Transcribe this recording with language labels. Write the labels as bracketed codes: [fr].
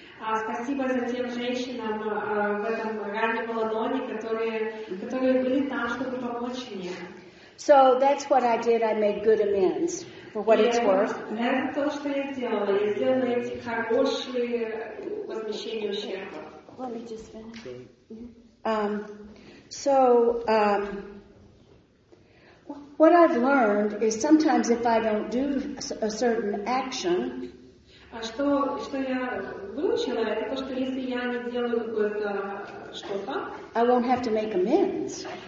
[ru] Спасибо за тем женщинам в этом раннем Аланоне, которые были там, чтобы помочь мне. [en] So that's what I did. I made good amends for what it's worth. [ru] Это то, что я делала. Я сделала эти хорошие возмещения ущерба. [en] Let me just finish. So what I've learned is sometimes if I don't do a certain action, I won't have to make amends.